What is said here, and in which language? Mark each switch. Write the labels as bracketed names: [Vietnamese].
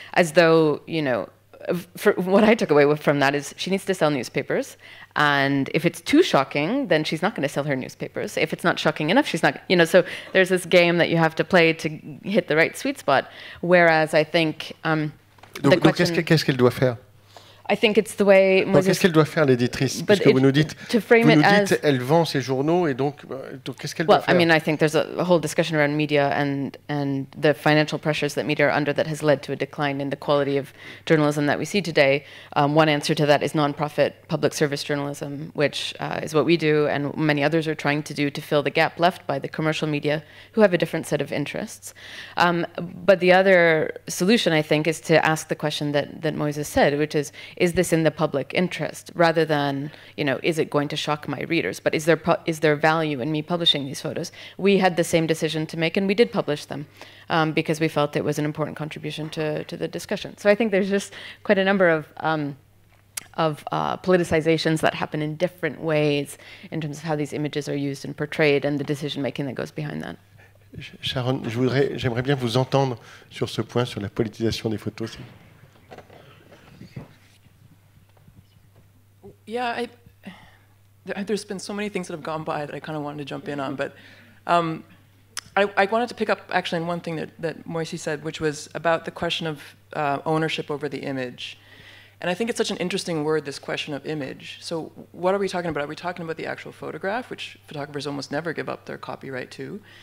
[English] As though, you know, for what I took away from that is she needs to sell newspapers, and if it's too shocking, then she's not going to sell her newspapers. If it's not shocking enough, she's not, you know, so there's this game that you have to play to hit the right sweet spot, whereas I think [French] Donc, qu'est-ce qu'elle doit faire? [English] I think it's the way Moses... [French] Qu'est-ce qu'elle doit faire, l'éditrice, puisque vous nous dites, elle vend ses journaux, et donc qu'est-ce qu'elle doit faire? [English] Well, I mean, I think there's a whole discussion around media and the financial pressures that media are under that has led to a decline in the quality of journalism that we see today. One answer to that is non-profit public service journalism, which is what we do, and many others are trying to do to fill the gap left by the commercial media, who have a different set of interests. But the other solution, I think, is to ask the question that Moises said, which is this in the public interest, rather than, you know, is it going to shock my readers? But is there value in me publishing these photos? We had the same decision to make, and we did publish them because we felt it was an important contribution to the discussion. So I think there's just quite a number of politicizations that happen in different ways in terms of how these images are used and portrayed and the decision-making that goes behind that. [French] Sharon, j'aimerais bien vous entendre sur ce point, sur la politisation des photos. [English] Yeah, there's been so many things that have gone by that I kind of wanted to jump in on, but I wanted to pick up actually on one thing that Moises said, which was about the question of ownership over the image. And I think it's such an interesting word, this question of image. So what are we talking about? Are we talking about the actual photograph, which photographers almost never give up their copyright to?